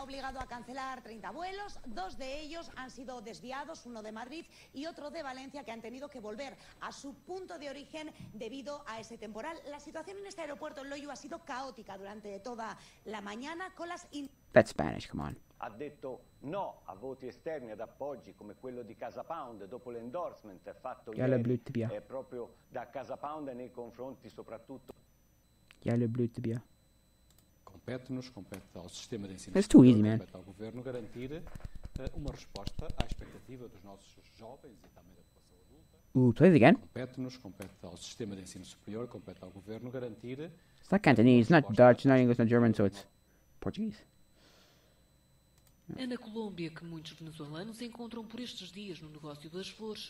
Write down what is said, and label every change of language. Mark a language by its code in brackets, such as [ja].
[es] llegado a cancelar 30 vuelos, dos de ellos han sido desviados, uno de Madrid y otro de Valencia, que han tenido que volver a su punto de origen debido a ese temporal. La situación en este aeropuerto en Loyu ha sido caótica durante toda la mañana con las... [en] That's Spanish, come on. [it] Ha detto no a voti esterni ad appoggi come quello di Casa Pound dopo l'endorsement fatto ieri proprio da Casa Pound nei confronti soprattutto... Ja, le blüte bier. [pt] Compete-nos, compete ao sistema de ensino. [en] That's too easy, man. [pt] Compete ao governo garantir uma resposta à expectativa dos nossos jovens e também da população adulta. [en] Ooh, play it again. [pt] Compete-nos, compete ao sistema de ensino superior, compete ao governo garantir... [en] It's not Cantonese, it's not Dutch, not English, not German, so it's Portuguese. [pt] É na Colômbia que muitos venezuelanos encontram por estes dias no negócio das flores.